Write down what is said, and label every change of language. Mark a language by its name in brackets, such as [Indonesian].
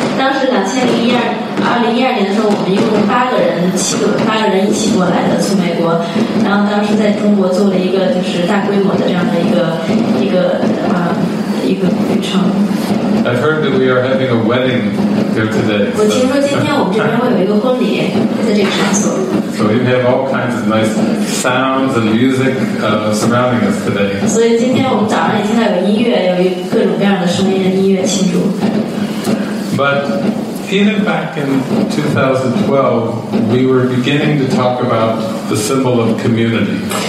[Chinese] 当时2012年的时候我们一共8个人一起过来的从美国然后当时在中国做了一个就是大规模的这样的一个旅程 [English] I've heard that we are having a wedding here today. [Chinese] 我听说今天我们这边会有一个婚礼在这个场所 [English] So we have all kinds of nice sounds and music surrounding us today. [Chinese] 所以今天我们早上已经有音乐有各种各样的声音的音乐庆祝 [English] But even back in 2012, we were beginning to talk about the symbol of community.